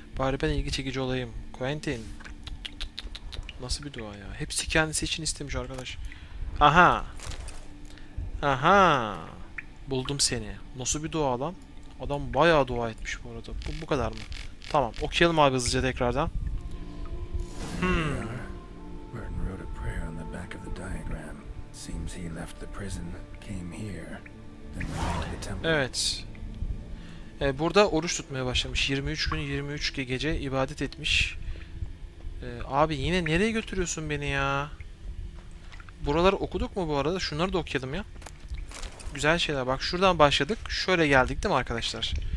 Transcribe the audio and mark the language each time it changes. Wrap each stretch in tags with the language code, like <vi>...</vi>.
<tr>Bari ben ilgi çekici olayım. Quentin. Nasıl bir dua ya? Hepsi kendisi için istemiş arkadaş. Aha. Aha. Buldum seni. Nasıl bir dua lan? Adam bayağı dua etmiş bu arada. Bu kadar mı? Tamam. Okuyalım abi hızlıca tekrardan.</tr> <en>Burton wrote a prayer on the back of the diagram. Seems he left the prison, came here.</en> <tr>Evet. Burada oruç tutmaya başlamış. 23 gün 23 gece ibadet etmiş. Abi yine nereye götürüyorsun beni ya? Buraları okuduk mu bu arada? Şunları da okuyalım ya. Güzel şeyler. Bak şuradan başladık. Şöyle geldik değil mi arkadaşlar?</tr>